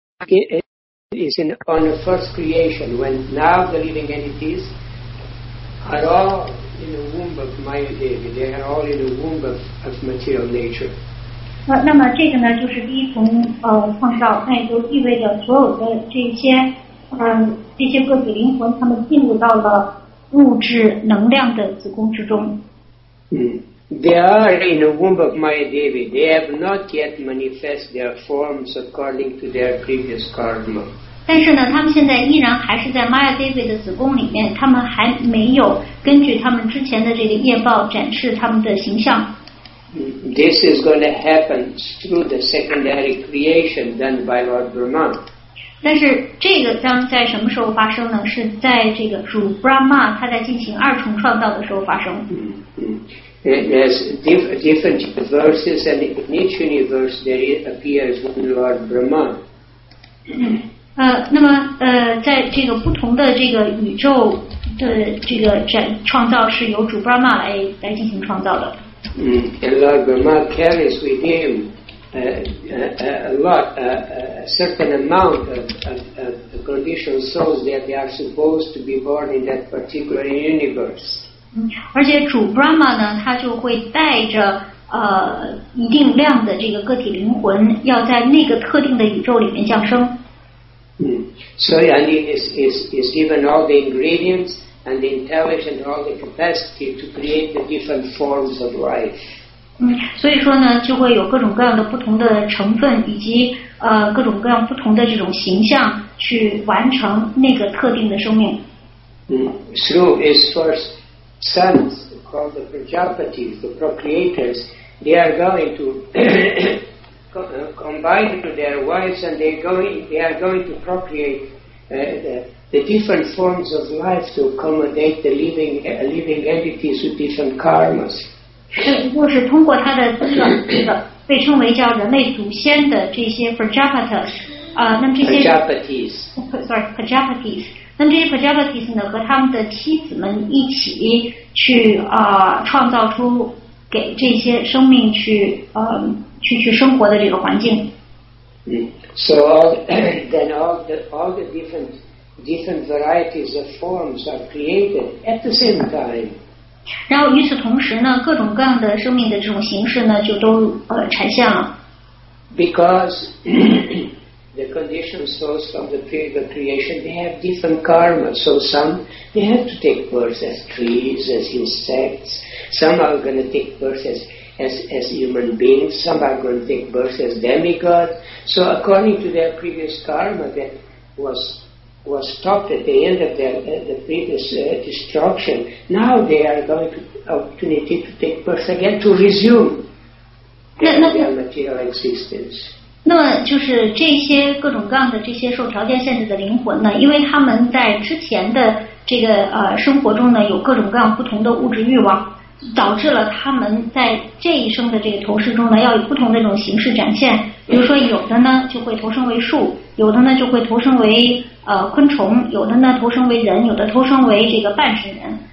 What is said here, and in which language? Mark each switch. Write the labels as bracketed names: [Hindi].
[English] It is on the first creation when now the living entities are all in the womb of Maya Devi. They are all in the womb of material nature. [Chinese] 那么这个呢，就是第一重创造，那也就意味着所有的这些个体灵魂，他们进入到了物质能量的子宫之中。 [English] They are in the womb of Maya Devi. They have not yet manifested their forms according to their previous karma. [Chinese] 但是呢，他们现在依然还是在 Maya Devi 的子宫里面，他们还没有根据他们之前的这个业报展示他们的形象。 [English] This is going to happen through the secondary creation done by Lord Brahma. [Chinese] 但是这个将在什么时候发生呢？是在这个主 Brahma 他在进行二重创造的时候发生。 [English] There's different universes, and in each universe there appears one Lord Brahma. [Chinese] 那么在这个不同的这个宇宙的这个创造是由主 Brahma 来进行创造的。 [English] And Lord Brahma carries with him certain amount of the conditioned souls that they are supposed to be born in that particular universe. [Chinese] 而且主 Brahma 呢，他就会带着一定量的这个个体灵魂，要在那个特定的宇宙里面降生。 [English] So and is given all the ingredients and the intelligence and all the capacity to create the different forms of life. [Chinese] 所以说呢，就会有各种各样的不同的成分，以及各种各样不同的这种形象，去完成那个特定的生命。 [English] Through his first sons called the Prajapatis, the procreators, they are going to combine to their wives and they are going to procreate the different forms of life to accommodate the living entities with different karmas. [Chinese] 就是通过他的这个被称为叫人类祖先的这些 Prajapatis, 那么这些 Prajapatis, 那么这些 Prajapatis 呢，和他们的妻子们一起去创造出给这些生命去生活的这个环境。 [English] So all the different varieties of forms are created at the same time. [Chinese] 然后与此同时呢，各种各样的生命的这种形式呢，就都呈现了。 [English] Because the conditioned souls from the period of creation, they have different karma. So some, they have to take birth as trees, as insects. Some are going to take birth as human beings. Some are going to take birth as demigods. So according to their previous karma that was stopped at the end of the previous destruction, now they are going to have opportunity to take birth again to resume their material existence. [Chinese] 那么就是这些各种各样的这些受条件限制的灵魂呢，因为他们在之前的这个生活中呢，有各种各样不同的物质欲望，导致了他们在这一生的这个投射中呢，要以不同的这种形式展现。比如说，有的呢就会投生为树，有的呢就会投生为昆虫，有的呢投生为人，有的投生为这个半神人。